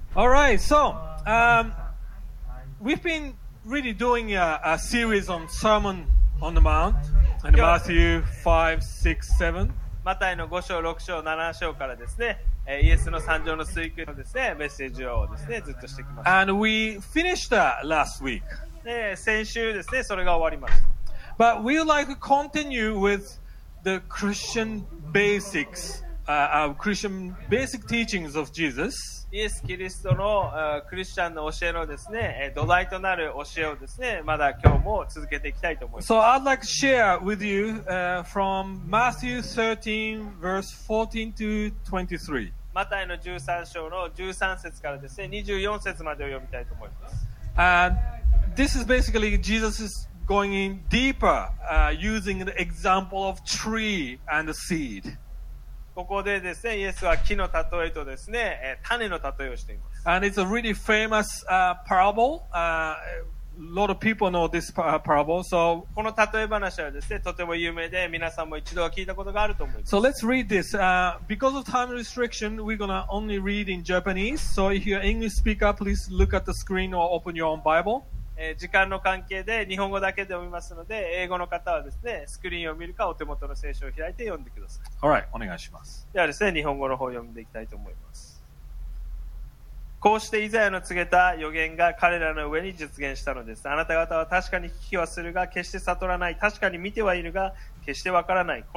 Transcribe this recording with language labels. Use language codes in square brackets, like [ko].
[en] All right, so we've been really doing a series on Sermon on the Mount in Matthew 5, 6, 7. [ja] マタイの5章、6章、7章からですね、イエスの山上の水訓のですね、メッセージをですね、ずっとしてきました。 [en] And we finished that last week. [ja] 先週ですね、それが終わりました。 [en] But we would like to continue with the Christian basics, Christian basic teachings of Jesus. [ja] イエス・キリストの、クリスチャンの教えのですね、土台となる教えをですね、まだ今日も続けていきたいと思います。 [en] So I'd like to share with you, from Matthew 13, verse 14 to 23. [ja] マタイの13章の13節からですね、24節までを読みたいと思います。 [en] And this is basically Jesus is going in deeper, using the example of tree and the seed. [ja] ここでですね、イエスは木の例えとですね、種の例えをしています。 [en] And it's a really famous parable. A lot of people know this parable. So [ja] この例え話はですね、とても有名で、皆さんも一度は聞いたことがあると思います。 [en] So let's read this. Because of time restriction, we're gonna only read in Japanese. So if you're English speaker, please look at the screen or open your own Bible. [ja] 時間の関係で日本語だけで読みますので英語の方はですねスクリーンを見るかお手元の聖書を開いて読んでください。 [en] All right, [ja] お願いします。ではですね日本語の方を読んでいきたいと思います。こうしてイザヤの告げた予言が彼らの上に実現したのです。あなた方は確かに聞きはするが決して悟らない、確かに見てはいるが決してわからない。